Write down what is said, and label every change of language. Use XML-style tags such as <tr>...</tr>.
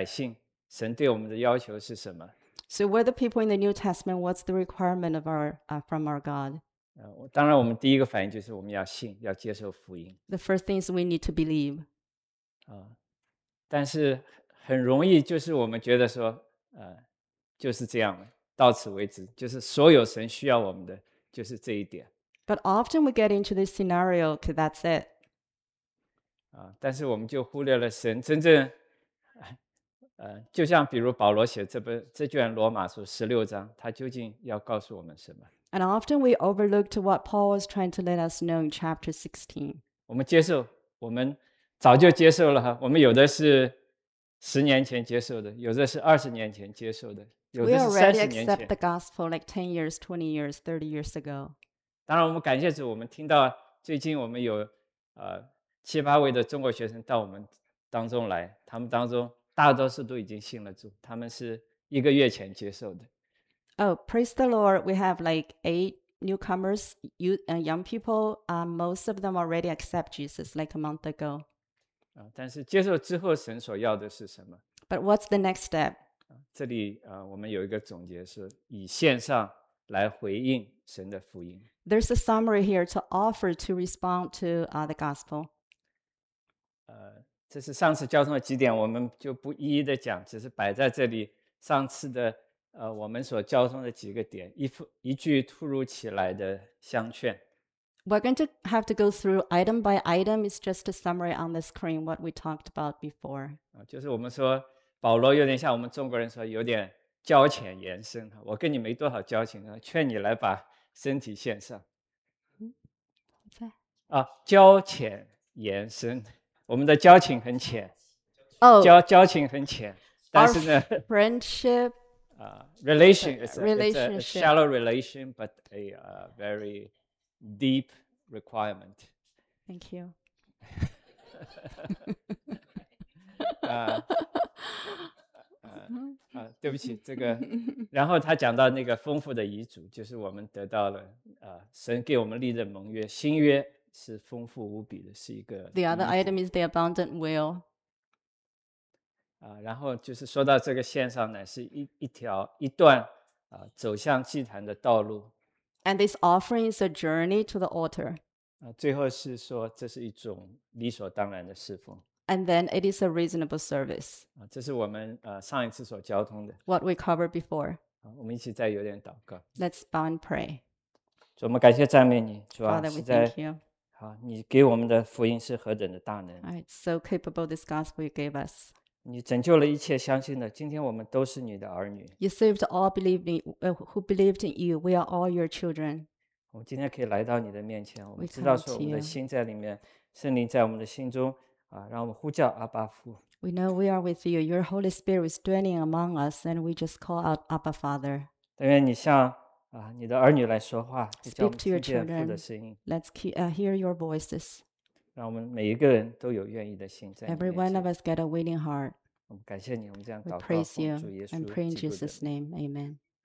<zh>那么到了我们今天新约的百姓，神对我们的要求是什么？</zh> <en>So we're the people in the New Testament. What's the requirement of our from our God?</en> <zh>当然，我们第一个反应就是我们要信，要接受福音。</zh> <en>The first thing is we need to believe.</en> <zh>但是很容易就是我们觉得说。就是这样，到此为止，就是所有神需要我们的，就是这一点。</zh> <en>But often we get into this scenario, because that's it.</en> <zh>但是我们就忽略了神真正，就像比如保罗写这卷罗马书16章，他究竟要告诉我们什么？</zh> <en>And often we overlooked what Paul was trying to let us know in chapter 16.</en> <zh>我们接受，我们早就接受了，我们有的是十年前接受的，有的是二十年前接受的，有的是三十年前。</zh> <en>We already accept the gospel like 10 years, 20 years, 30 years ago.</en> <zh>当然我们感谢主，我们听到最近我们有七八位的中国学生到我们当中来，他们当中大多数都已经信了主，他们是一个月前接受的。</zh> <en>Oh, praise the Lord, we have like 8 newcomers, youth and young people. Most of them already accept Jesus like a month ago.</en> <zh>但是接受之后神所要的是什么？</zh> <en>But what's the next step?</en> <zh>这里我们有一个总结是以线上来回应神的福音。</zh> <en>There's a summary here to offer to respond to the gospel.</en> <zh>这是上次交通的几点，我们就不一一的讲，只是摆在这里上次的我们所交通的几个点，一句突如其来的相劝。</zh> <en>We're going to have to go through item by item. It's just a summary on the screen what we talked about before.</en> <zh>就是我们说保罗有点像我们中国人说有点交浅言深，我跟你没多少交情，劝你来把身体献上。交浅言深，我们的交情很浅。交情很浅，但是呢</zh> <en>friendship relation is a shallow relation, but a very deep requirement. Thank you.</en> <zh>对不起，这个。然后他讲到那个丰富的遗嘱，就是我们得到了神给我们立的盟约，新约是丰富无比的，是一个。</zh> <en>The other item is the abundant will.</en> <zh>然后就是说到这个线上呢，是一段走向祭坛的道路。</zh> <en>And this offering is a journey to the altar.</en> <zh>最后是说这是一种理所当然的侍奉。</zh> <en>And then it is a reasonable service.</en> <zh>这是我们上一次所交通的。</zh> <en>What we covered before.</en> <zh>我们一起再有点祷告。</zh> <en>Let's bow and pray.</en> <zh>主，我们感谢赞美你，主啊。</zh> <en>Father, we thank you.</en> <zh>好，你给我们的福音是何等的大能。</zh> <en>It's so capable, this gospel you gave us.</en> <zh>你拯救了一切相信的，今天我们都是你的儿女。</zh> <en>You saved all who believed in you. We are all your children.</en> <zh>我们今天可以来到你的面前，我们知道说我们的心在里面，圣灵在我们的心中。让我们呼叫阿爸父。</zh> <en>We know we are with you. Your Holy Spirit is dwelling among us, and we just call out Abba Father.</en> <zh>但愿你向你的儿女来说话。</zh> <en>Speak to your children. Let's hear your voices.</en> <zh>让我们每一个人都有愿意的心在你面前。</zh> <en>Every one of us get a willing heart.</en> <zh>我们感谢你，我们这样祷告。</zh> <en>We praise you. I'm praying Jesus' name. Amen.</en>